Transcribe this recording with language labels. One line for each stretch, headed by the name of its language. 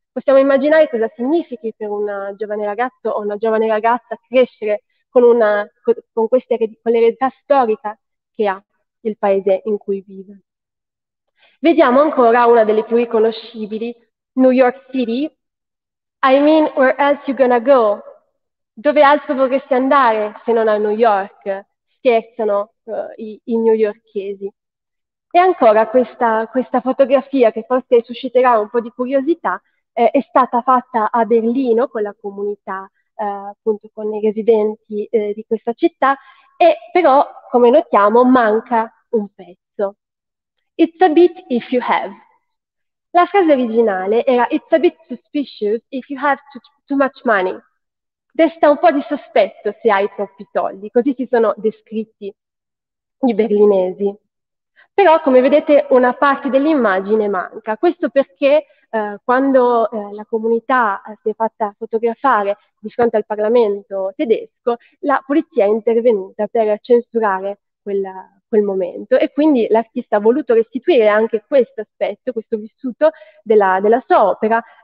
Italian: Possiamo immaginare cosa significhi per un giovane ragazzo o una giovane ragazza crescere con questa l'eredità storica che ha il paese in cui vive. Vediamo ancora una delle più riconoscibili, New York City.
English: I mean, where else you gonna go?
Italian: Dove altro vorresti andare se non a New York? Scherzano i newyorkesi. E ancora questa fotografia che forse susciterà un po' di curiosità è stata fatta a Berlino con la comunità, appunto con i residenti di questa città, e però, come notiamo, manca un pezzo.
English: It's a bit if you have.
Italian: La frase originale era
English: It's a bit suspicious if you have too much money.
Italian: Desta un po' di sospetto se hai troppi soldi, così si sono descritti i berlinesi. Però, come vedete, una parte dell'immagine manca. Questo perché quando la comunità si è fatta fotografare di fronte al Parlamento tedesco, la polizia è intervenuta per censurare quel momento e quindi l'artista ha voluto restituire anche questo aspetto, questo vissuto della sua opera.